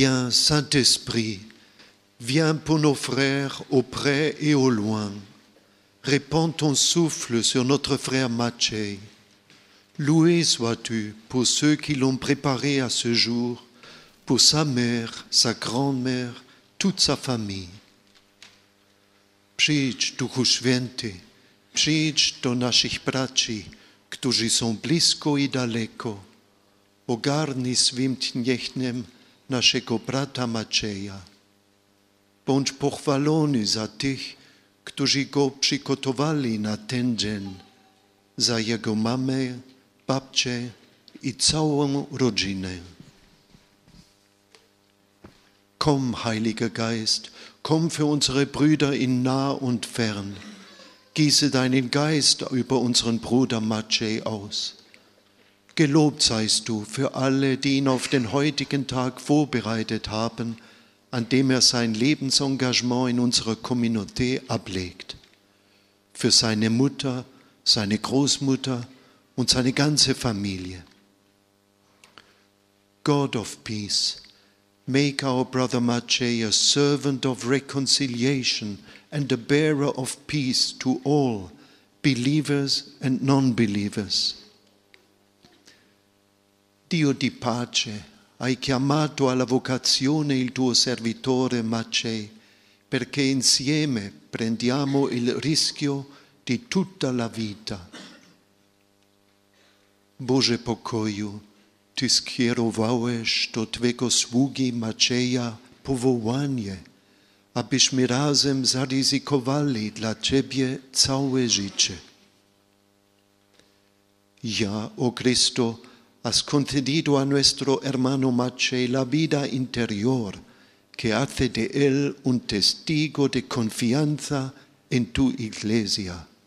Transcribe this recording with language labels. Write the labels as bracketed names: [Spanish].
[French] Saint-Esprit, viens pour nos frères au près et au loin. Répands ton souffle sur notre frère Maciej. Loué sois-tu pour ceux qui l'ont préparé à ce jour, pour sa mère, sa grand-mère, toute sa famille. [Polish] Przyjdź, Duchu Święty, przyjdź do naszych braci, którzy są blisko i daleko. Ogarnij swym tchniechnem naszego brata Macieja. Bądź pochwalony za tych, którzy go przygotowali na ten dzień, za jego mamę, babcię i całą rodzinę. [German] Komm, Heiliger Geist, komm für unsere Brüder in nah und fern. Gieße deinen Geist über unseren Bruder Maciej aus. Gelobt seist du für alle, die ihn auf den heutigen Tag vorbereitet haben, an dem er sein Lebensengagement in unserer Communauté ablegt. Für seine Mutter, seine Großmutter und seine ganze Familie. [English] God of peace, make our brother Maciej a servant of reconciliation and a bearer of peace to all, believers and non-believers. [Italian] Dio di pace, hai chiamato alla vocazione il tuo servitore Maciej, perché insieme prendiamo il rischio di tutta la vita. [Polish] Bože pokoju, ty skierowałeś do Twego sługi Macieja powołanie, abyśmy razem zaryzykowali dla Ciebie całe życie. [Spanish] Ja, o Cristo, has concedido a nuestro hermano Maciej la vida interior que hace de él un testigo de confianza en tu Iglesia.